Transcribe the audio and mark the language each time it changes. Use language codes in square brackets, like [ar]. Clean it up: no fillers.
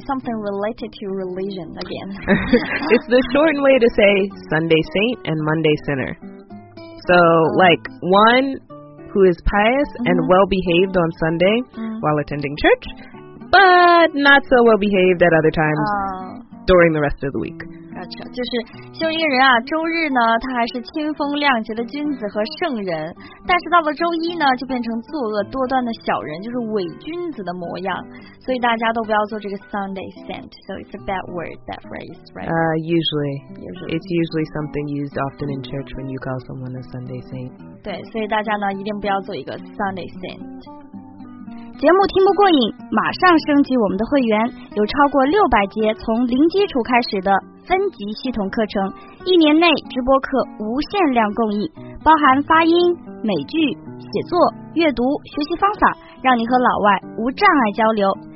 [en] Something related to religion again. It's the shortened way to say Sunday saint and Monday sinner. So, like, one who is pious and well-behaved on Sunday while attending church, but not so well-behaved at other times. During the rest of the week. Gotcha. [zh] 就是修一个人啊，周日呢他还是清风亮洁的君子和圣人，但是到了周一呢就变成作恶多端的小人，就是伪君子的模样。所以大家都不要做这个 Sunday saint. [en] So it's a bad word, that phrase, right? Usually. It's usually something used often in church when you call someone a Sunday saint. [zh] 对，所以大家呢一定不要做一个 Sunday saint. 节目听不过瘾，马上升级我们的会员，有超过600节从零基础开始的分级系统课程，一年内直播课无限量供应，包含发音、美剧、写作、阅读、学习方法，让你和老外无障碍交流。